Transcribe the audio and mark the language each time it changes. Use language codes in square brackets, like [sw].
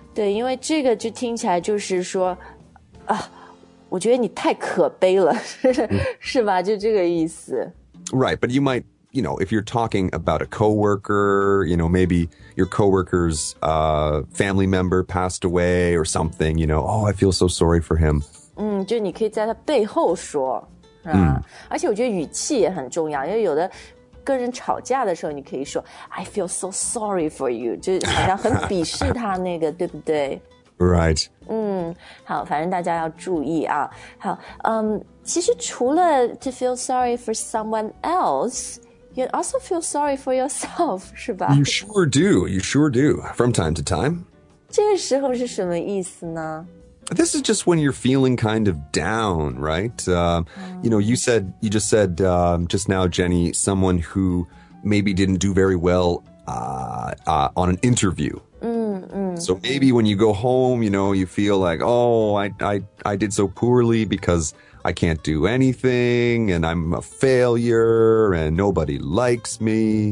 [zh] 对，因为这个就听起来就是说我觉得你太可悲了，是吧？就这个意思。 [en] Right, but you might, you know, if you're talking about a coworker, you know, maybe your coworker's family member passed away or something, you know, oh, I feel so sorry for him. [zh] 就你可以在他背后说，而且我觉得语气也很重要，因为有的跟人吵架的时候你可以说 [en] I feel so sorry for you, [zh] 就好像很鄙视他那个，对不对？ [en] Right. [zh] 好，反正大家要注意啊。好，其实除了 [en] to feel sorry for someone else, you also feel sorry for yourself, [zh] 是吧？ [en] You sure do, from time to time. [zh] 这个时候是什么意思呢？ [en] This is just when you're feeling kind of down, right? You know, you just said just now, Jenny, someone who maybe didn't do very well on an interview. So maybe when you go home, you know, you feel like, oh, I did so poorly because I can't do anything and I'm a failure and nobody likes me.